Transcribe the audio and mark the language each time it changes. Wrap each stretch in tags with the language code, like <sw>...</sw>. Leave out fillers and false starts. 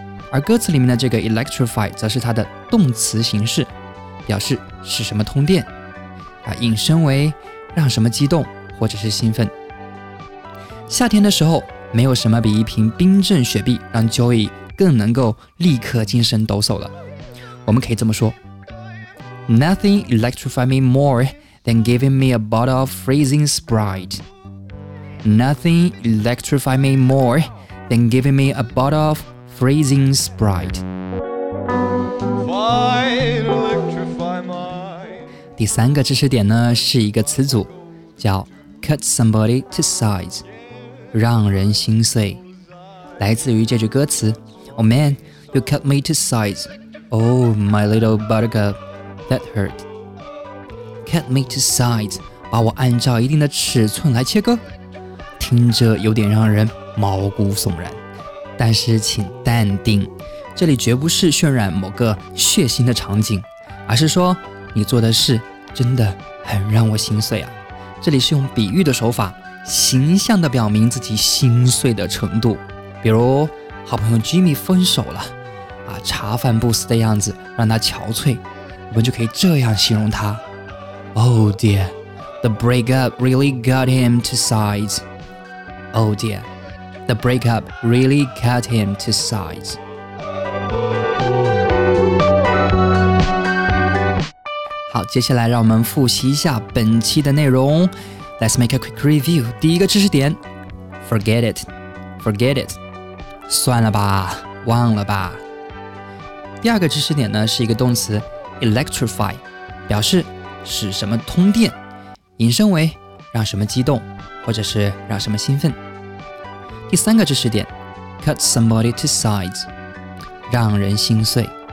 <zh>而歌词里面的这个 electrify 则是它的动词形式，表示使什么通电，引申为让什么激动或者是兴奋。夏天的时候，没有什么比一瓶冰镇雪碧让 Joy 更能够立刻精神抖擞了。我们可以这么说</zh> <en>Nothing electrify me moreThen giving me a bottle of freezing Sprite. Nothing electrify me more than giving me a bottle of Freezing Sprite。 Fine, electrify my...</en> <zh>第三个知识点呢，是一个词组叫 Cut somebody to size， 让人心碎，来自于这句歌词</zh> <en>Oh man, you cut me to size. Oh, my little buttercup, that hurt.</en> <zh>Cut me to size， 把我按照一定的尺寸来切割，听着有点让人毛骨悚然，但是请淡定，这里绝不是渲染某个血腥的场景，而是说你做的事真的很让我心碎啊。这里是用比喻的手法，形象地表明自己心碎的程度。比如好朋友 Jimmy 分手了，茶饭不思的样子让他憔悴，我们就可以这样形容他</zh> <en>Oh dear, the breakup really got him to size. Oh dear, the breakup really cut him to size.</en> <zh>好，接下来让我们复习一下本期的内容。</zh> <en>Let's make a quick review.</en> <zh>第一个知识点，</zh> <en>Forget it, forget it.</en> <zh>算了吧，忘了吧。第二个知识点呢，是一个动词 electrify， 表示使什么通电，引申为让什么激动或者是让什么兴奋。第三个知识点 cut somebody to size， 让人心碎。</zh>